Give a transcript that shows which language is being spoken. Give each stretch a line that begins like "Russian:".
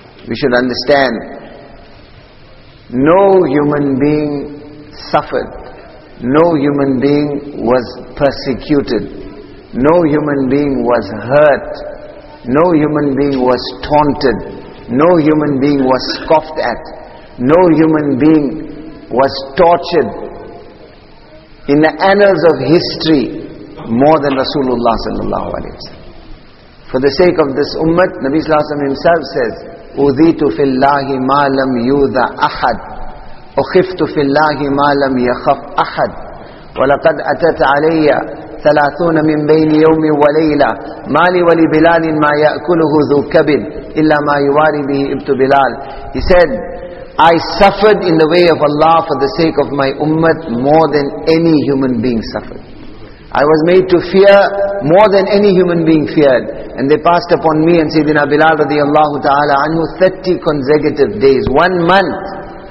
English: We should understand, no human being suffered, no human being was persecuted, no human being was hurt, no human being was taunted, no human being was scoffed at, no human being was tortured in the annals of history more than Rasulullah sallallahu alayhi wa sallam. For the sake of this ummah, Nabi sallallahu alayhi wa sallam himself says,
Arabic: أُذِيتُ فِي اللَّهِ مَا لَمْ يُوذَ أَحَدٌ أُخِفْتُ فِي اللَّهِ مَا لَمْ يَخَفْ أَحَدٌ وَلَقَدْ أَتَتْ عَلَيَّ ثَلَاثُونَ مِنْ بَيْنِ يَوْمِ وَلَيْلَةٍ مَا لِي وَلِبِلَالٍ مَا يَأْكُلُهُ ذُو كَبِدٍ إِلَّا مَا يُوَارِي بِهِ إِبْتُ بِلَالٍ.
English: He said, I suffered in the way of Allah for the sake of my ummah more than any human being suffered. I was made to fear more than any human being feared. And they passed upon me and Sayyidina Bilal radiallahu ta'ala anhu 30 consecutive days, 1 month.